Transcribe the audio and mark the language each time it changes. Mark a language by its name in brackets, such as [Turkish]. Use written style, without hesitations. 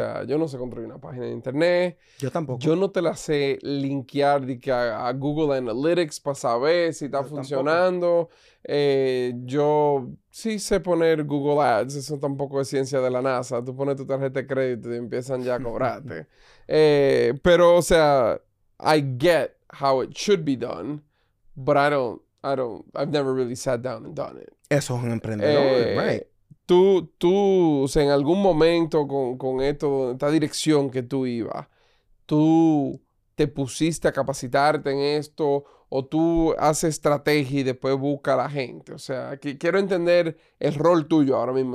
[Spanish] sea, yo no sé construir una página de internet, Yo yo tampoco. no te la sé linkear de que a Google Analytics para saber si está Yo tampoco. funcionando. Yo sí sé poner Google Ads, eso tampoco es ciencia de la NASA. Tú pones tu tarjeta de crédito y empiezan ya a cobrarte. [English] Pero, o sea, I get how it should be done, but I've never really sat down and done it. [Spanish] Eso es un emprendedor, right. Tú, o sea, en algún momento con esto, esta dirección que tú ibas, ¿tú te pusiste a capacitarte en esto o tú haces estrategia y después busca a la gente? O sea, quiero entender el rol tuyo ahora mismo en